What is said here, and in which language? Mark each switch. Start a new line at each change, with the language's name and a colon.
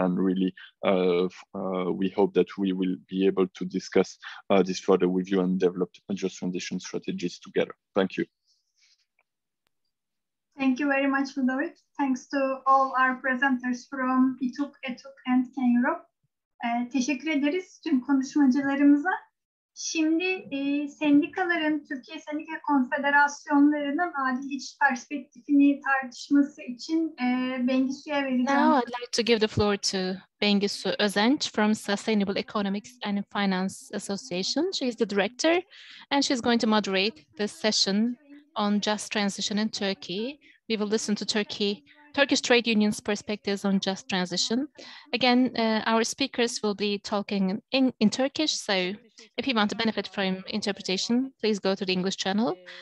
English: And really, we hope that we will be able to discuss this further with you and develop just transition strategies together. Thank you. Thank you very much, Ludovic. Thanks to all our presenters from ETUC, ETUC and Can Europe.
Turkish: Teşekkür ederiz tüm konuşmacılarımıza. Şimdi sendikaların, Türkiye Sendika Konfederasyonlarının adil iş perspektifini tartışması için Bengisu'ya vereceğim.
English: Now I'd like to give the floor to Bengisu Özenç from Sustainable Economics and Finance Association. She is the director and she's going to moderate the session on just transition in Turkey. We will listen to Turkey Turkish trade unions' perspectives on just transition. Again, our speakers will be talking in Turkish, so if you want to benefit from interpretation, please go to the English channel.